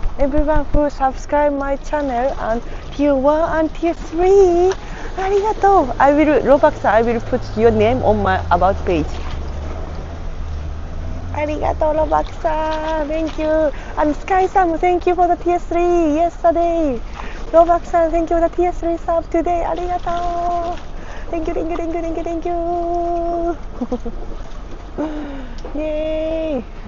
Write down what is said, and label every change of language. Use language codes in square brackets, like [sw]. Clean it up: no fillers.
[en] Everyone who subscribe my channel and tier 1 and tier 3! [ja] ありがとう。 [en] I will, Robux, I will put your name on my about page. [ja] ありがとう、ロバックさん。 [en] Thank you. And Sky さんも Thank you for the TS3 yesterday. ロバックさん、Thank you for the TS3 sub today. ありがとう。 Thank you, thank you, thank you, thank you, thank you. [ja] イェーイ。